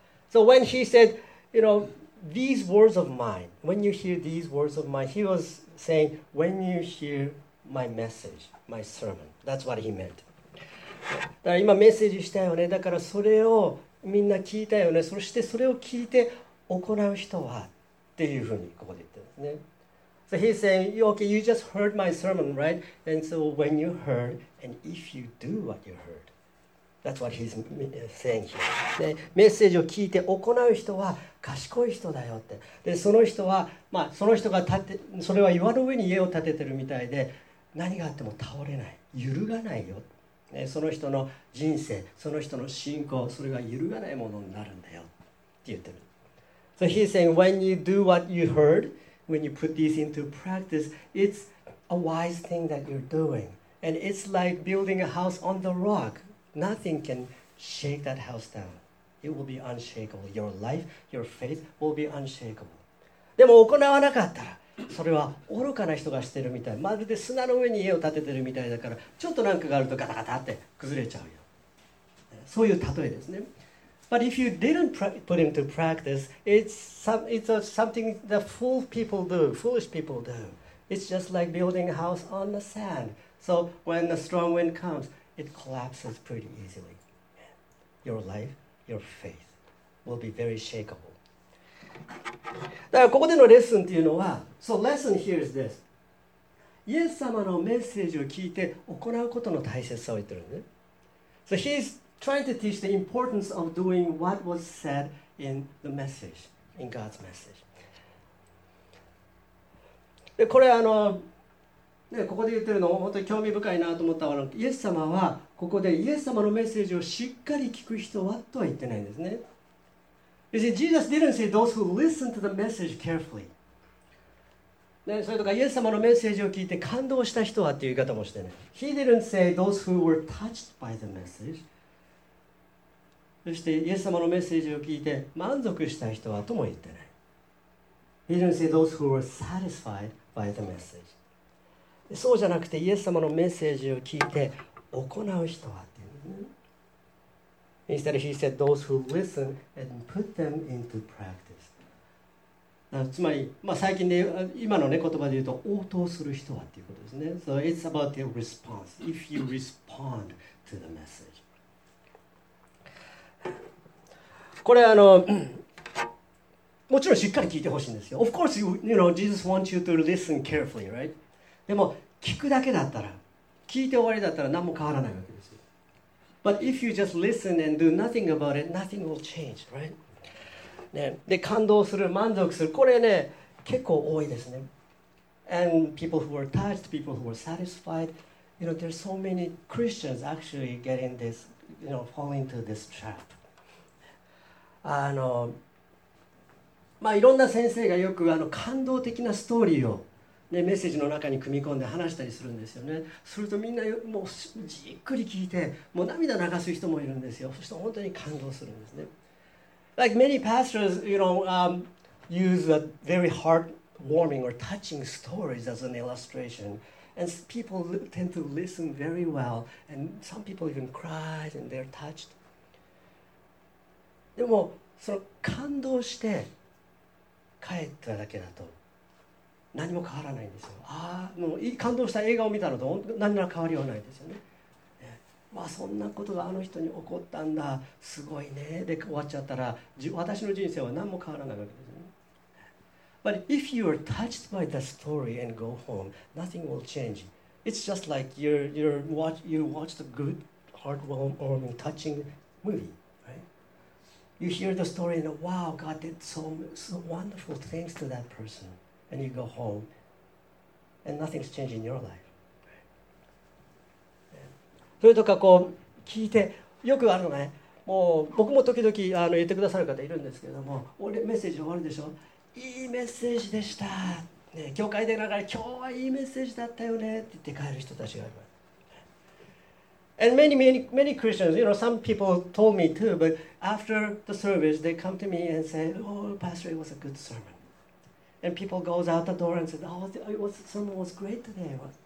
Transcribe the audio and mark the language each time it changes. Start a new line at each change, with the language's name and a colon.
English: So when he said, you know,These words of mine, when you hear these words of mine, he was saying, when you hear my message, my sermon, that's what he meant.
Japanese: だから今メッセージしたよね、だからそれをみんな聞いたよね、そしてそれを聞いて行う人はっていうふうにここで言ってるんですね。
English: So he's saying, okay, you just heard my sermon, right? And so when you heard, and if you do what you heard, that's what he's saying here.
Japanese: で、メッセージを聞いて行う人は、賢い人だよって。で、その人は、まあ、その人が建て、それは岩の上に家を建ててるみたいで、何があっても倒れない、揺るがないよ。ね、その人の人生、その人の信仰、それが揺るがないものになるんだよって言ってる。
English: So he's saying, when you do what you heard, when you put these into practice, it's a wise thing that you're doing. And it's like building a house on the rock. Nothing can shake that house down. It will be unshakable. Your life, your faith will be unshakable.
Japanese: でも行わなかったら、それは愚かな人がしてるみたい。まるで砂の上に家を建ててるみたいだから、ちょっとなんかがあるとガタガタって崩れちゃうよ。そういう例えですね。
English: But if you didn't put into practice, it's something that fool people do, foolish people do. It's just like building a house on the sand. So when the strong wind comes, it collapses pretty easily. Your life, your faith will be very shakeable.
Japanese: だからここでのレッスンっていうのは、
English: So lesson here is this.
Japanese: イエス様のメッセージを聞いて行うことの大切さを言ってるね。
English: So he's trying to teach the importance of doing what was said in the message, in God's message.
Japanese: でこれあの、ね、ここで言ってるの本当に興味深いなと思ったわ。イエス様はここでイエス様のメッセージをしっかり聞く人はとは言ってないんですね。
English: You see, Jesus didn't say those who listen to the message carefully.、
Japanese: ね、それとかイエス様のメッセージを聞いて感動した人はっていう言い方もしてね。
English: He didn't say those who were touched by the message.
Japanese: そしてイエス様のメッセージを聞いて満足した人はとも言ってない。
English: He didn't say those who were satisfied by the message.
Japanese: そうじゃなくてイエス様のメッセージを聞いて行う人はっていう、ね。
English: Instead, he said those who listen and put them into practice.
Japanese: つまり、まあ、最近で、ね、今の、ね、言葉で言うと応答する人はっていうことですね。
English: So it's about the response. If you respond to the message.
Japanese: これあのもちろんしっかり聞いてほしいんですよ。
English: Of course, you know, Jesus wants you to listen carefully, right?
Japanese: でも聞くだけだったら、聞いて終わりだったら何も変わらないわけですよ。
English: But if you just listen and do nothing about it, nothing will change, right?
Japanese: ね、で感動する、満足する、これね結構多いですね。
English: And people who are touched, people who are satisfied, you know, there's so many Christians actually getting this, you know, falling into this trap.
Japanese: あのまあ、いろんな先生がよくあの感動的なストーリーを、ね、メッセージの中に組み込んで話したりするんですよね。するとみんなもうじっくり聞いてもう涙流す人もいるんですよ。そして本当に感動するんですね。
English: Like many pastors, you know, use a very heartwarming or touching stories as an illustration. And people tend to listen very well. And some people even cried and they're touched.
Japanese: でもその感動して帰っただけだと何も変わらないんですよ。ああ、もういい感動した映画を見たのと何ら変わりはないですよね。まあそんなことがあの人に起こったんだ、すごいね。で終わっちゃったら私の人生は何も変わらないわけですよね。
English: But if you are touched by the story and go home, nothing will change. It's just like you watched a good, heartwarming, touching movie. You hear the story and wow, God did so wonderful things to that person. And you go home and nothing's changed in your life.
Japanese: それとかこう聞いてよくあるのね。もう僕も時々あの言ってくださる方いるんですけども、俺メッセージ終わるでしょ、いいメッセージでした、ね、教会でながら今日はいいメッセージだったよねって言って帰る人たちがいます。
English: And many Christians, you know, some people told me too, butAfter the service, they come to me and say, oh, Pastor, it was a good sermon. And people go out the door and say, oh, the sermon was great today.